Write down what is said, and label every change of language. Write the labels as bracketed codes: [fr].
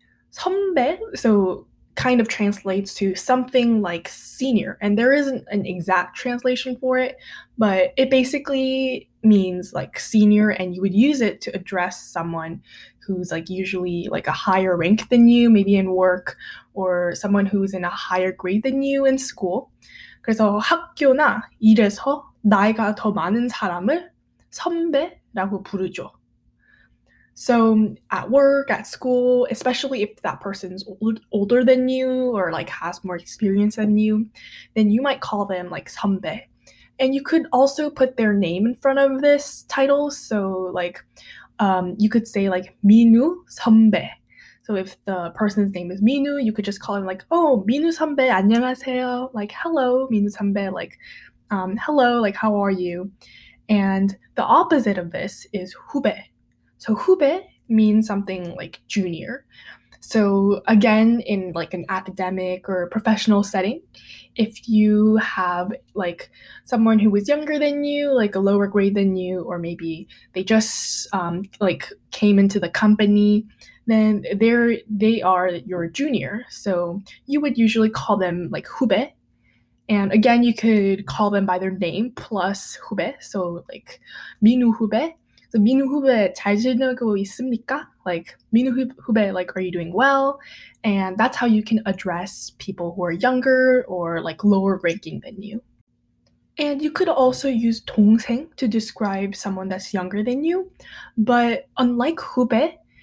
[en] 선배, so kind of translates to something like senior, and there isn't an exact translation for it, but it basically means like senior, and you would use it to address someone who's like usually like a higher rank than you, maybe in work, or someone who's in a higher grade than you in school. [ko] 그래서 학교나 일에서 나이가 더 많은 사람을 선배라고 부르죠. [en] So at work, at school, especially if that person's older than you or like has more experience than you, then you might call them like 선배. And you could also put their name in front of this title. So like you could say like 민우 선배. So if the person's name is 민우, you could just call him like, oh, [ko] 민우 선배, 안녕하세요. [en] Like, hello, 민우 선배. Like, hello, like, how are you? And the opposite of this is 후배. So 후배 means something like junior. So again, in like an academic or professional setting, if you have like someone who is younger than you, like a lower grade than you, or maybe they just like came into the company, then they are your junior. So you would usually call them like 후배. And again, you could call them by their name plus 후배. So like 민우 후배. [ko] So, 민우 후배, 잘 지내고 있습니까? [en] Like, 민우 후배, like, are you doing well? And that's how you can address people who are younger or like lower ranking than you. And you could also use 동생 to describe someone that's younger than you. But unlike 후배,